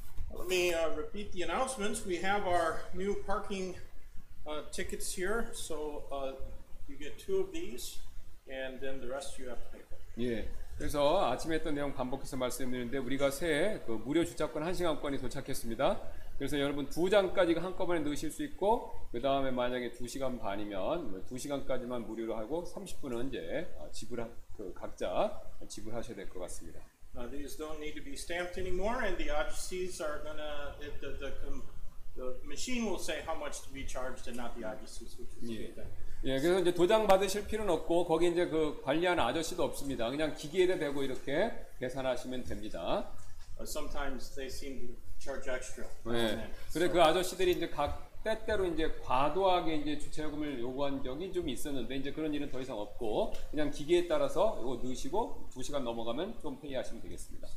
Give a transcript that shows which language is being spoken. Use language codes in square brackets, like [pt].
[en] Let me repeat the announcements. We have our new parking tickets here, so you get two of these, and then the rest you have to pay for. [ko] 예, 그래서 아침에 했던 내용 반복해서 말씀드리는데 우리가 새 그 무료 주차권 한 시간권이 도착했습니다. 그래서 여러분 두 장까지 한꺼번에 넣으실 수 있고, 그 다음에 만약에 두 시간 반이면 두 시간까지만 무료로 하고 30분은 이제 지불한 그 각자 지불하셔야 될 것 같습니다. [en] These don't need to be stamped anymore, and the IGCs are gonna the machine will say how much to be charged and not the IGCs, which is good. [ko] 예, 그래서 이제 도장 받으실 필요는 없고 거기 이제 그 관리하는 아저씨도 없습니다. 그냥 기계에 대고 이렇게 계산하시면 됩니다. [en] Sometimes they seem to charge extra. [ko] 네. 그래 so, 그 아저씨들이 이제 각 때때로 이제 과도하게 이제 주차요금을 요구한 적이 좀 있었는데 이제 그런 일은 더 이상 없고 그냥 기계에 따라서 이거 넣으시고 두 시간 넘어가면 좀 페이하시면 되겠습니다.